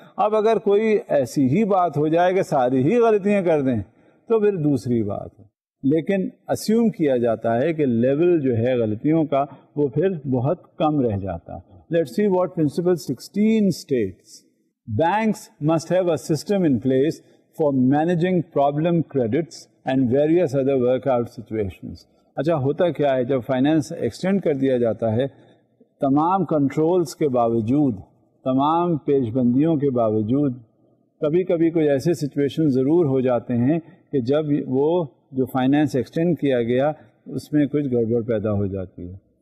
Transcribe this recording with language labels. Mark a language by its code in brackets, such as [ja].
[ur] اب اگر کوئی ایسی ہی بات ہو جائے کہ ساری ہی غلطیاں کر دیں تو پھر دوسری بات ہے, لیکن اسیوم کیا جاتا ہے کہ لیول جو ہے غلطیوں کا وہ پھر بہت کم رہ جاتا. [en] Let's see what principle 16 states. Banks must have a system in place for managing problem credits and various other workout situations. [ur] اچھا ہوتا کیا ہے جب فائنینس ایکسٹینڈ کر دیا جاتا ہے, تمام کنٹرولز کے باوجود, تمام پیش بندیوں کے باوجود, کبھی کبھی کوئی ایسے سچویشن ضرور ہو جاتے ہیں کہ جب وہ جو فائنینس ایکسٹینڈ کیا گیا اس میں کچھ گڑبڑ پیدا ہو جاتی ہے.